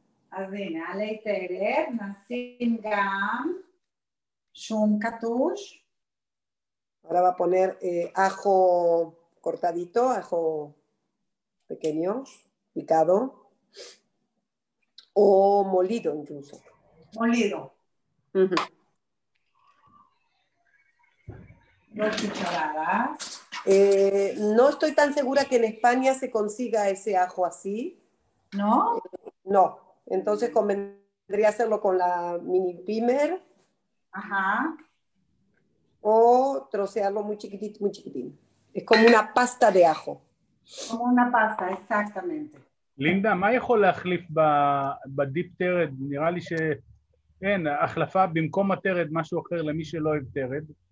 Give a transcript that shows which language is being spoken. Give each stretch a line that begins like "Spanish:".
Hebrew: אז הנה, עלי תרד, נשים גם שום קטוש.
Spanish: Ahora va a poner ajo cortadito, ajo pequeño, picado, o molido incluso. Molido. Uh-huh. Dos cucharadas. No estoy tan segura que en España se consiga ese ajo así. ¿No? No. Entonces convendría hacerlo con la mini pimer. Ajá. O trocearlo muy chiquitito, muy chiquitín. Es como una pasta de ajo. Como una pasta, exactamente.
Hebrew: Linda, ¿מה יכול להחליף בדיפ טרד? נראה לי שאין, החלפה במקום הטרד, משהו אחר למי שלא אוהב טרד.